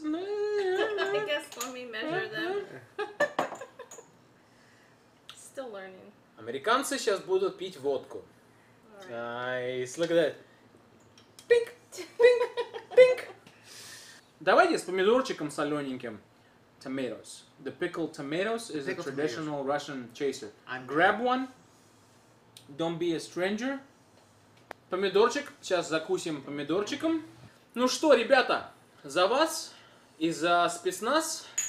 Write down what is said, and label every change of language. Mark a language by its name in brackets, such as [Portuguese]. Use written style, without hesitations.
[English] I guess let me measure them. Still learning. [Russian] Американцы сейчас будут пить водку. [English] Nice, look at that. [Russian] Пинк, пинк, пинк. Давайте с помидорчиком солененьким. [English] Tomatoes. The pickled tomatoes is a traditional Russian chaser. Grab one. Don't be a stranger. [Russian] Помидорчик. Сейчас закусим помидорчиком. Ну что, ребята, за вас и за спецназ.